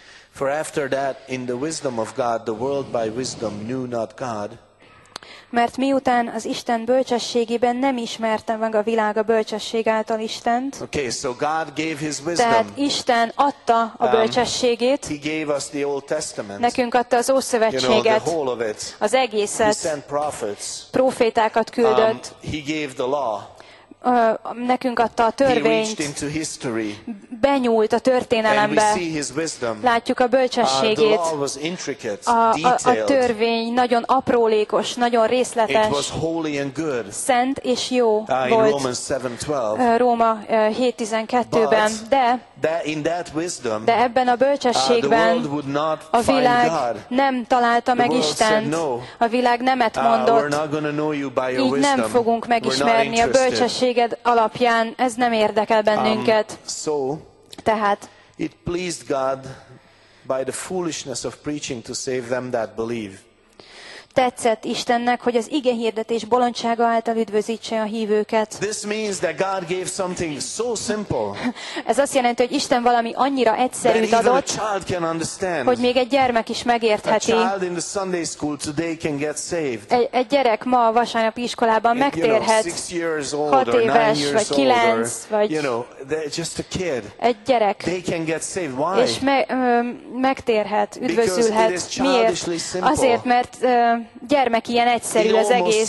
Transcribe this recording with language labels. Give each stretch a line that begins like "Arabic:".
English: For after that, in the wisdom of God, the world by wisdom knew not God.
Hungarian: Mert miután az Isten bölcsességében nem ismerte meg a világ a bölcsesség által Istent.
English: Okay, so God gave his wisdom.
Hungarian: Tehát Isten adta a bölcsességét.
English: He gave us the Old Testament.
Hungarian: Nekünk adta az Ószövetséget.
English: You know, the whole of it.
Hungarian: Az egészet.
English: He sent prophets.
Hungarian: Prófétákat küldött.
English: He gave the law.
Hungarian: Nekünk adta a törvényt.
English: He reached into history.
Hungarian: Benyúlt a történelembe.
English: And we see his wisdom.
Hungarian: Látjuk a bölcsességét.
English: The law was intricate, detailed.
Hungarian: A törvény nagyon aprólékos, nagyon részletes.
English: It was holy and good.
Hungarian: Szent és jó volt.
English: Romans 7:12.
Hungarian: Róma 7:12-ben. De
English: in that wisdom,
Hungarian: de ebben a bölcsességben a világ nem találta meg Istent. A világ nemet mondott. Így nem fogunk megismerni a bölcsességed alapján. Ez nem érdekel bennünket. Tehát
English: it pleased God by the foolishness of preaching to save them that believe.
Hungarian: Tetszett Istennek, hogy az ige hirdetés bolondsága által üdvözítse a hívőket.
English: This means that God gave something so simple.
Hungarian: Ez azt jelenti, hogy Isten valami annyira egyszerűt adott,
English: a child can understand.
Hungarian: Hogy még egy gyermek is megértheti.
English: A child in the Sunday school today can get saved.
Hungarian: Egy gyerek ma a vasárnapi iskolában megtérhet.
English: You know, 6 years old,
Hungarian: 6 éves,
English: or 9 years old,
Hungarian: vagy
English: you know, just a kid.
Hungarian: Egy gyerek.
English: They can get saved. Why?
Hungarian: És megtérhet, üdvözülhet. Miért? Azért, mert gyermek ilyen egyszerű az egész.